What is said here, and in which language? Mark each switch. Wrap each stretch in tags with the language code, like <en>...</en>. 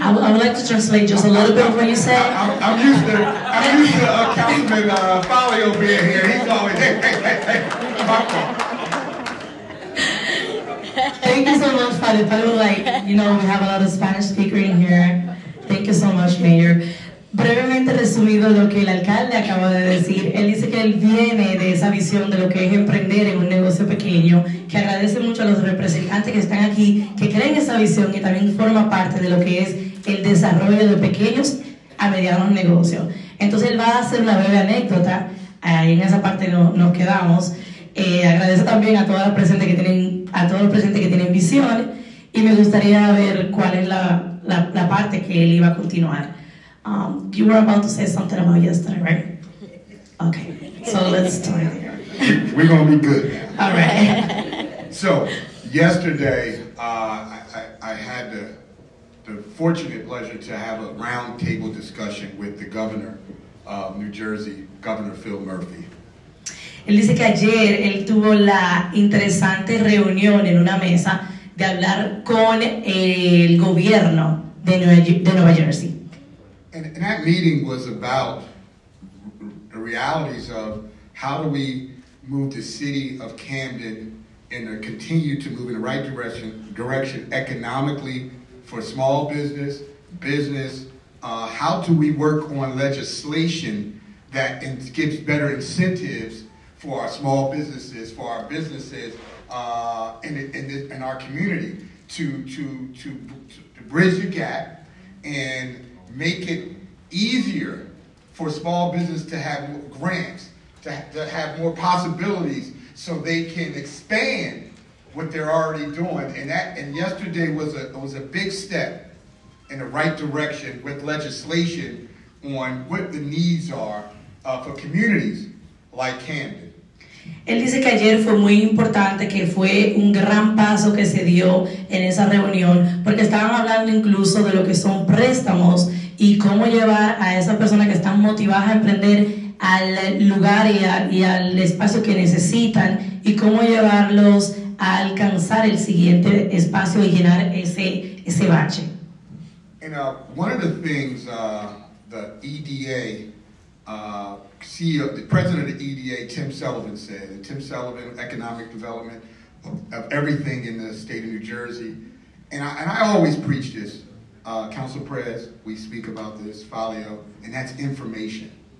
<en>I would like to translate just a little bit of what you said. I'm used to Councilman Falio being here. He's always, hey. Thank you so much, Father. By the way, like, you know, we have a lot of Spanish speakers in here. Thank you so much, Mayor.</en> <es>Brevemente resumido lo que el alcalde acaba de decir, él dice que él viene de esa visión de lo que es emprender en un negocio pequeño, que agradece mucho a los representantes que están aquí, que creen esa visión y también forma parte de lo que es el desarrollo de pequeños a medianos negocios. Entonces él va a hacer una breve anécdota, ahí en esa parte nos quedamos. Agradece también a todos los presentes que tienen, a todos los presentes que tienen visión, y me gustaría ver cuál es la parte que él iba a continuar.</es> <en>You were about to say something about yesterday, right? Okay, so let's start here. We're going to be good. All right. So, yesterday, I had the fortunate pleasure to have a round table discussion with the governor of New Jersey, Governor Phil Murphy.</en> <es>Él dice que ayer él tuvo la interesante reunión en una mesa de hablar con el gobierno de Nueva Jersey.</es> <en>And that meeting was about the realities of how do we move the city of Camden and continue to move in the right direction economically for small business, how do we work on legislation that gives better incentives for our small businesses, for our businesses in our community to bridge the gap and make it easier for small business to have grants, to have more possibilities so they can expand what they're already doing. And yesterday was a big step in the right direction with legislation on what the needs are for communities like Camden.</en> <es>Él dice que ayer fue muy importante, que fue un gran paso que se dio en esa reunión, porque estaban hablando incluso de lo que son préstamos y cómo llevar a esas personas que están motivadas a emprender al lugar y al espacio que necesitan, y cómo llevarlos a alcanzar el siguiente espacio y llenar ese bache.</es> <en>And one of the things the EDA, CEO, the president of the EDA, Tim Sullivan said, and Tim Sullivan, economic development of everything in the state of New Jersey, and I always preach this, Council Prez, we speak about this, Falio, and that's information.</en>